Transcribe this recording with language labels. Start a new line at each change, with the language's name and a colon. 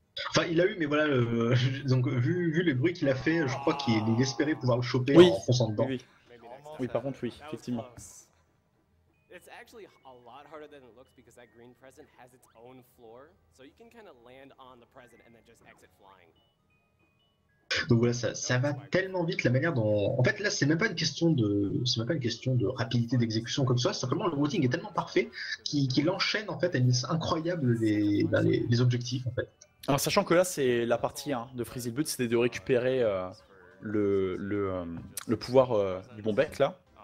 French: Enfin, il l'a eu, mais voilà, donc vu le bruit qu'il a fait, je crois qu'il espérait pouvoir le choper oui. En fonçant dedans. Oui. Oui, par contre, oui, effectivement.
English: It's actually a lot harder than it looks because that green present has its own floor, so you can kind of land on the present and then just exit flying.
French: Donc voilà, ça va tellement vite la manière dont... En fait, là, c'est même pas une question de rapidité d'exécution comme ça, c'est simplement le routing est tellement parfait qu'il enchaîne en fait à une vitesse incroyable les objectifs en fait. Alors, sachant que là, c'est la partie hein, de Freezy Boot, c'était de récupérer le pouvoir du bombec là.